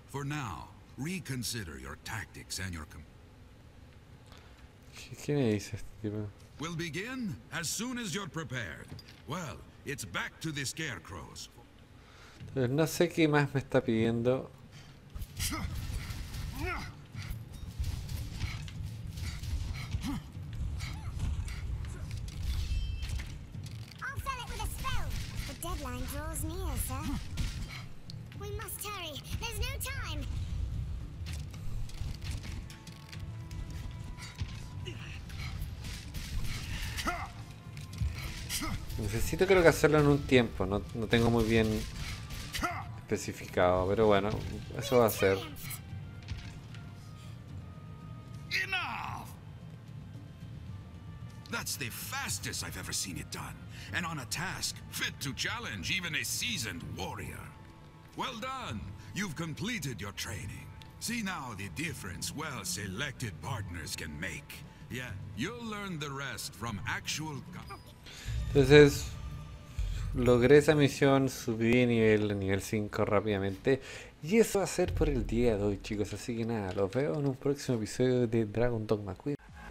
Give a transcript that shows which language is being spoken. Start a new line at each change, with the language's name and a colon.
English: For now, reconsider your tactics and your.
Spanish: ¿Qué me dice este tipo?
English: We'll begin as soon as you're prepared. Well, it's back to the scarecrows.
Spanish: Entonces, no sé qué más me está pidiendo.
English: I'll fell it with a spell. The deadline draws near, sir. We must hurry. There's no time.
Spanish: Necesito, creo que hacerlo en un tiempo, no tengo muy bien especificado, pero bueno, eso va a ser.
English: Enough. That's the fastest I've ever seen it done, and on a task fit to challenge even a seasoned warrior. Well done. You've completed your training. See now the difference well selected partners can make. Yeah, you'll learn the rest from actual.
Spanish: Entonces, logré esa misión, subí de nivel a nivel 5 rápidamente. Y eso va a ser por el día de hoy, chicos. Así que nada, los veo en un próximo episodio de Dragon Dogma. Cuídense.